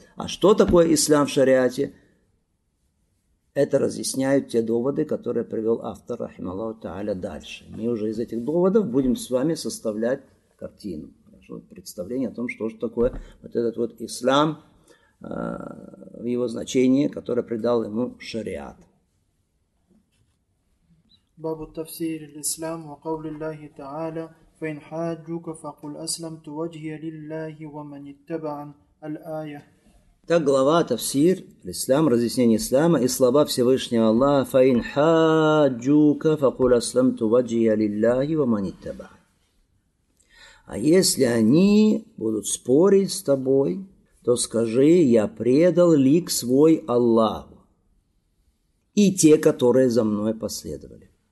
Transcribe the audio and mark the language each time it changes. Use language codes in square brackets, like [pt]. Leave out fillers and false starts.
[ru] А что такое ислам в шариате? Это разъясняют те доводы, которые привел автор, рахималлаху та'аля, дальше. Мы уже из этих доводов будем с вами составлять картину, хорошо, представление о том, что же такое вот этот вот ислам, в его значении, которое придал ему шариат. [ar] باب التفسير الإسلام وقول الله تعالى فإن حاجوك فقل أسلمت وجهي لله ومن اتبع الآية. [ru] Так глава «Тафсир», «Ислам», «Разъяснение Ислама» и слова Всевышнего Аллаха [ar] «Фаин хаджука факуль асламту ваджия лилляхи ва манитаба». [ru] А если они будут спорить с тобой, то скажи «Я предал лик свой Аллаху и те, которые за мной последовали».